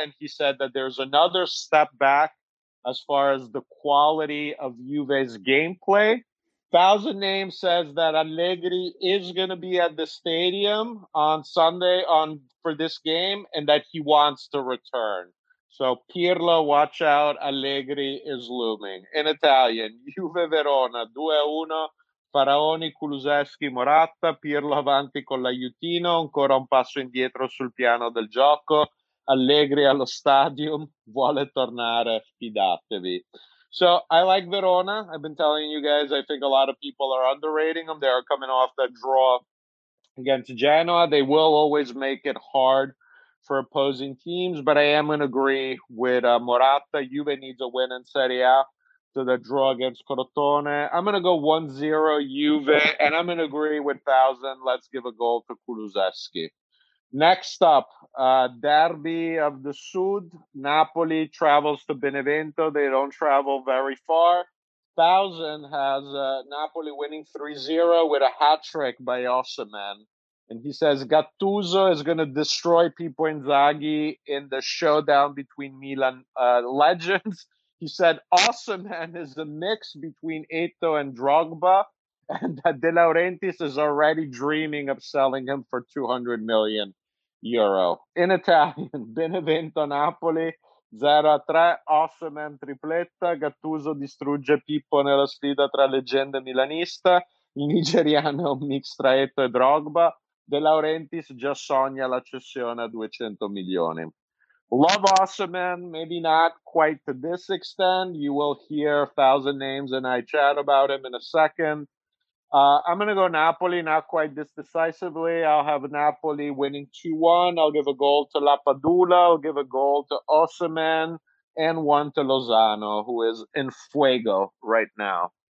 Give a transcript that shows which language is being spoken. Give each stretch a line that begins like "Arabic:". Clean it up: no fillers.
English: And he said that there's another step back as far as the quality of Juve's gameplay. 1,000 Names says that Allegri is going to be at the stadium on Sunday for this game and that he wants to return. So, Pirlo, watch out. Allegri is looming. In Italian,
Italian: Juve Verona, 2-1, Faraoni, Kulusevski, Morata, Pirlo avanti con l'aiutino, ancora un passo indietro sul piano del gioco, Allegri allo stadium, vuole tornare, fidatevi.
English: So, I like Verona. I've been telling you guys, I think a lot of people are underrating them. They are coming off the draw against Genoa. They will always make it hard for opposing teams, but I am going to agree with Morata. Juve needs a win in Serie A to the draw against Crotone. I'm going to go 1-0 Juve, and I'm going to agree with 1,000. Let's give a goal to Kulusevski. Next up, Derby of the Sud. Napoli travels to Benevento. They don't travel very far. 1,000 has Napoli winning 3-0 with a hat trick by Osimhen. And he says Gattuso is going to destroy Pippo Inzaghi in the showdown between Milan legends. He said Osimhen is a mix between Eto and Drogba, and that De Laurentiis is already dreaming of selling him for 200 million euro. In Italian,
Italian: Benevento Napoli, 0-3, Osimhen tripletta, Gattuso distrugge Pippo nella sfida tra leggenda milanista, il nigeriano mix tra Eto e Drogba. De Laurentiis già sogna la cessione a 200 milioni.
English: Love Osimhen, maybe not quite to this extent. You will hear 1,000 Names and I chat about him in a second. I'm going to go Napoli, not quite this decisively. I'll have Napoli winning 2-1. I'll give a goal to Lapadula. I'll give a goal to Osimhen and one to Lozano, who is in fuego right now.